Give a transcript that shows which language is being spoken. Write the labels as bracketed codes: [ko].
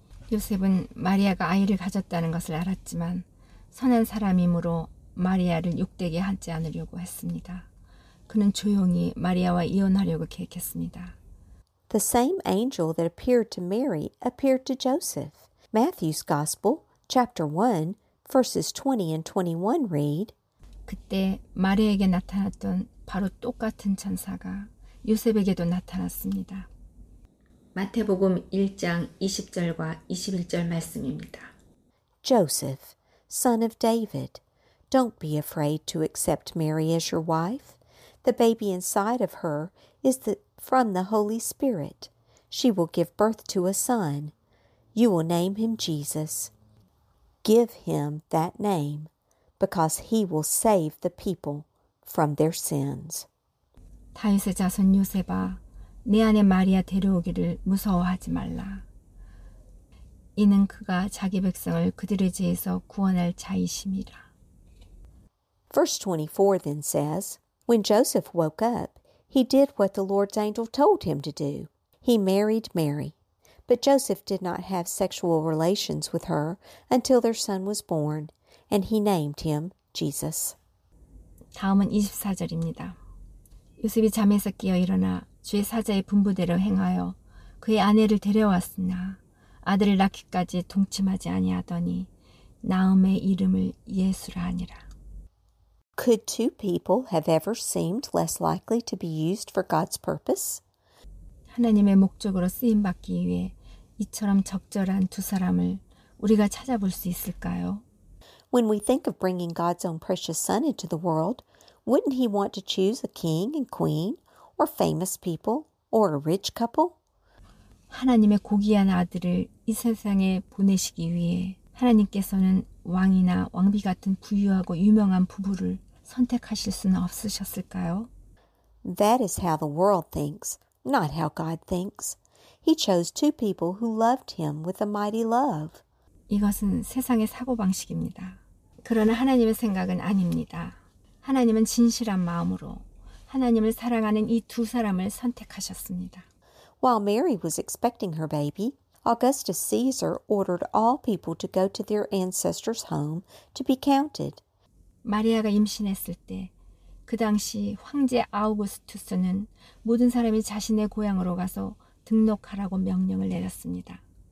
[ko] 요셉은 마리아가 아이를 가졌다는 것을 알았지만 선한 사람이므로 마리아를 욕되게 하지 않으려고 했습니다. 그는 조용히 마리아와 이혼하려고 계획했습니다. [en] The same angel that appeared to Mary appeared to Joseph. Matthew's Gospel, chapter 1, verses 20 and 21 read, [ko] 그때 마리아에게 나타났던 바로 똑같은 천사가 요셉에게도 나타났습니다. 마태복음 1장 20절과 21절 말씀입니다. [en] Joseph, son of David, don't be afraid to accept Mary as your wife. The baby inside of her is from the Holy Spirit. She will give birth to a son. You will name him Jesus. Give him that name, because he will save the people from their sins. [ko] 다윗의 자손 요셉아, 내 아내 마리아 데려오기를 무서워하지 말라. 이는 그가 자기 백성을 그들의 죄에서 구원할 자이심이라. [en] Verse 24 then says, When Joseph woke up, he did what the Lord's angel told him to do. He married Mary. But Joseph did not have sexual relations with her until their son was born, and he named him Jesus. [ko] 다음은 24절입니다. 요셉이 잠에서 깨어 일어나 주의 사자의 분부대로 행하여 그의 아내를 데려왔으나 아들을 낳기까지 동침하지 아니하더니 나음의 이름을 예수라 하니라. [en] Could two people have ever seemed less likely to be used for God's purpose? [ko] 하나님의 목적으로 쓰임 받기 위해 이처럼 적절한 두 사람을 우리가 찾아볼 수 있을까요? [en] When we think of bringing God's own precious son into the world, wouldn't he want to choose a king and queen or famous people or a rich couple? [ko] 하나님의 고귀한 아들을 이 세상에 보내시기 위해 하나님께서는 왕이나 왕비 같은 부유하고 유명한 부부를 선택하실 수는 없으셨을까요? [en] That is how the world thinks, not how God thinks. He chose two people who loved him with a mighty love. [ko] 이것은 세상의 사고방식입니다. 그러나 하나님의 생각은 아닙니다. 하나님은 진실한 마음으로 하나님을 사랑하는 이 두 사람을 선택하셨습니다. [en] While Mary was expecting her baby, Augustus Caesar ordered all people to go to their ancestors' home to be counted. [ko] 마리아가 임신했을 때 그 당시 황제 아우구스투스는 모든 사람이 자신의 고향으로 가서 등록하라고 명령을 내렸습니다.